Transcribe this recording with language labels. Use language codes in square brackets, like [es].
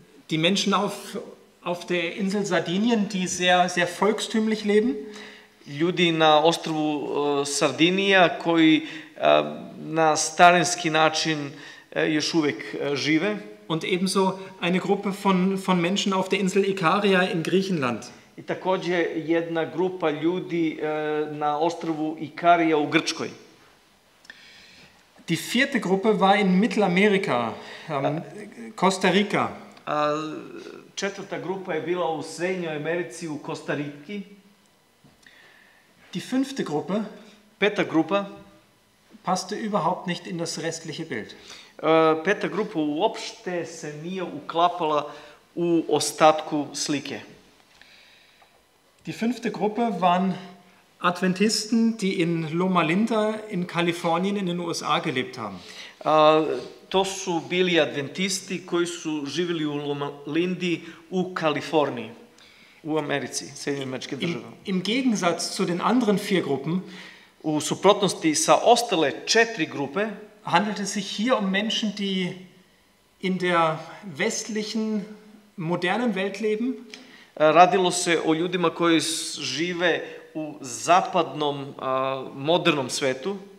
[de] Die Menschen auf der Insel Sardinien, die sehr, sehr volkstümlich leben. [sr] Ljudi na ostrvu Sardinija koji na starinski način još uvek žive. [de] Und ebenso eine Gruppe von Menschen auf der Insel Ikaria in Griechenland. [sr] I takođe jedna grupa ljudi na ostrvu Ikaria u Grčkoj. [de] Die vierte Gruppe war in Mittelamerika, Costa Rica. [sr] Četvrta grupa je bila u Srednjoj Americi u Costa Rici. [de] Die fünfte Gruppe, [sr] Peta Gruppe, [de] passte überhaupt nicht in das restliche Bild. [sr] Peta Gruppe uopšte se nije uklapala u ostatku slike. [de] Die fünfte Gruppe waren Adventisten, die in Loma Linda in Kalifornien in den USA gelebt haben. [sr] To su bili adventisti koji su živjeli u Loma Lindi u Kaliforniji. U Americi, Sjedinjenim Američkim Državama. [de] Im Gegensatz zu den anderen vier Gruppen, [sr] u suprotnosti sa ostale četiri grupe, [de] handelt es sich hier um Menschen, die in der westlichen modernen Welt leben. [sr] Radilo se o ljudima koji žive u zapadnom modernom svetu.